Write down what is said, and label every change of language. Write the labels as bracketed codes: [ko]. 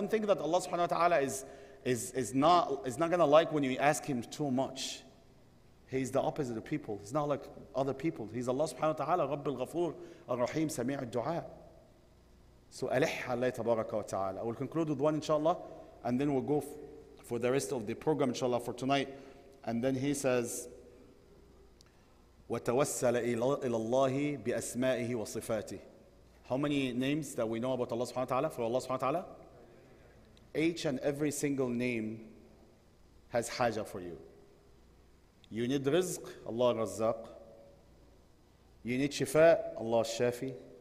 [en] Don't think that Allah subhanahu wa ta'ala is not going to like when you ask Him too much. He's the opposite of people. He's not like other people. He's Allah subhanahu wa ta'ala, Rabbul Ghafoor, Ar-Rahim, Sami'u Dua. So alih alayhi tabaraka wa ta'ala. I will conclude with one inshallah, and then we'll go for the rest of the program inshallah for tonight. And then he says, [ar] وَتَوَسَّلَ إِلَى اللَّهِ بِأَسْمَائِهِ وَصِفَاتِهِ. [en] How many names that we know about Allah subhanahu wa ta'ala, for Allah subhanahu wa ta'ala? Each and every single name has haja for you. You need rizq, Allah razzaq. You need shifa, Allah shafi.